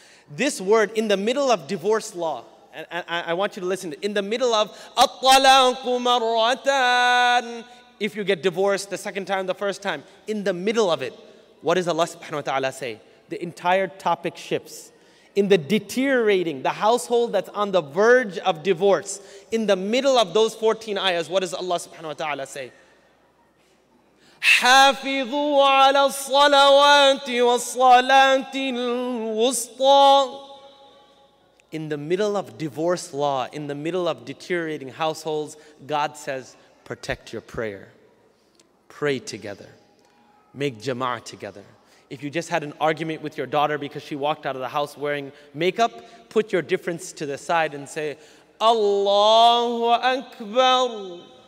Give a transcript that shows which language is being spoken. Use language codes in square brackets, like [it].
[en] This word, in the middle of divorce law, and I want you to listen, in the middle of at-talaqu marratan, if you get divorced the second time, the first time, in the middle of it, what does Allah subhanahu wa ta'ala say? The entire topic shifts. In the deteriorating, the household that's on the verge of divorce, in the middle of those 14 ayahs, what does Allah subhanahu wa ta'ala say? [ar] حافظوا على الصلوات والصلاة الوسطى. [en] In the middle of divorce law, in the middle of deteriorating households, God says, protect your prayer. Pray together. Make jama'ah together. If you just had an argument with your daughter because she walked out of the house wearing makeup, put your difference to the side and say, Allahu Akbar.